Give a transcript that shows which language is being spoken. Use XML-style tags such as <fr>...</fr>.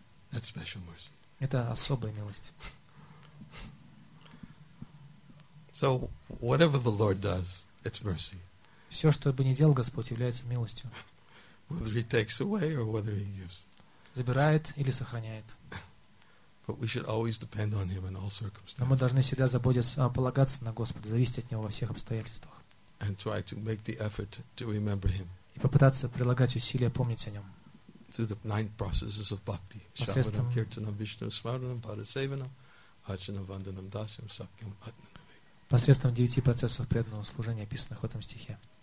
<en>That's special mercy.</en> <ru>Это особая милость.</ru> <en>So whatever the Lord does, it's mercy.</en> <ru>Все, что бы ни делал Господь, является милостью.</ru> <en>Whether he takes away or whether he gives.</en> <ru>Забирает или сохраняет.</ru> <en>But we should always depend on him in all circumstances.</en> <ru>Но мы должны всегда заботиться, полагаться на Господа, зависеть от него во всех обстоятельствах.</ru> <en>And try to make the effort to remember him.</en> <ru>И попытаться прилагать усилия помнить о нем.</ru> <en>Through the nine processes of bhakti.</en> <ru>Посредством</ru> <sa>киртанам, вишну, смаранам, парасеванам, арчанам, ванданам, дасям, сакьям, атнанам.</sa> <ru>Посредством девяти процессов преданного служения, описанных в этом стихе.</ru>